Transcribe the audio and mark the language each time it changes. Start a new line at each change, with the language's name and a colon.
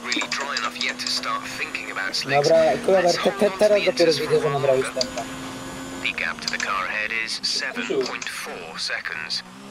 English: really dry enough yet to start thinking about slicks.
Polish: Dobra, Clover, teraz dopiero widzę, że nabrałeś tempa.
English: The gap to the car ahead is 7.4 seconds.